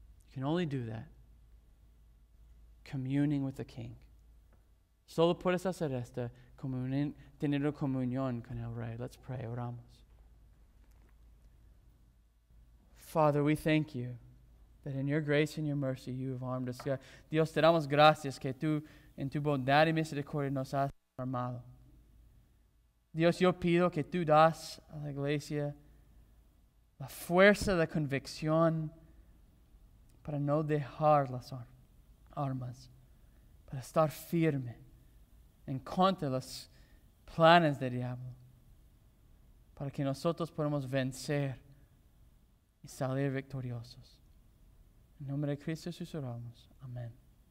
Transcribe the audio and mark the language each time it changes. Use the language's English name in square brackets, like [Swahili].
[English] You can only do that communing with the King. [Spanish] Solo puedes hacer esta teniendo comunión con el Rey. Let's pray. Oramos. [English] Father, we thank you that in your grace and your mercy you have armed us. [Spanish] Dios, te damos gracias que tú en tu bondad y misericordia nos has armado. Dios, yo pido que tú das a la iglesia la fuerza de convicción para no dejar las armas, para estar firme en contra de los planes del diablo, para que nosotros podamos vencer y salir victoriosos. En nombre de Cristo Jesús oramos. Amén.